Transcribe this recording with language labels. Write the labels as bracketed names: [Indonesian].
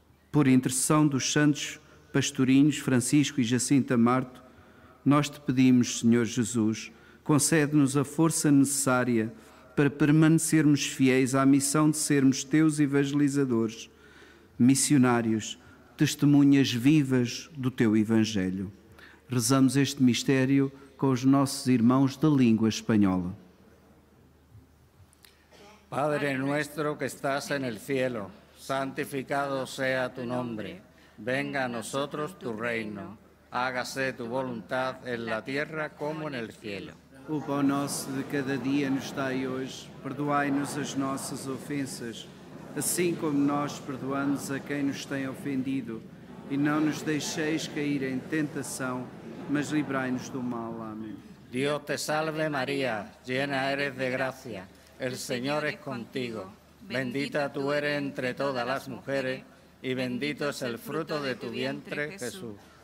[Portuguese] Por intercessão dos santos pastorinhos Francisco e Jacinta Marto, nós te pedimos, Senhor Jesus, concede-nos a força necessária para permanecermos fiéis à missão de sermos teus evangelizadores, missionários, testemunhas vivas do teu Evangelho. Rezamos este mistério com os nossos irmãos da língua espanhola. [Spanish] Padre nuestro que estás en el cielo, santificado sea tu nombre. Venga a nosotros tu reino. Hágase tu voluntad en la tierra como en el cielo. [Portuguese] O pão nosso de cada dia nos dai hoje. Perdoai-nos as nossas ofensas, assim como nós perdoamos a quem nos tem ofendido. E não nos deixeis cair em tentação, mas livrai-nos do mal. Amém. Deus te salve, [Spanish] Maria, llena eres de gracia. El Señor es contigo, bendita tú eres entre todas las mujeres y bendito es el fruto de tu vientre, Jesús.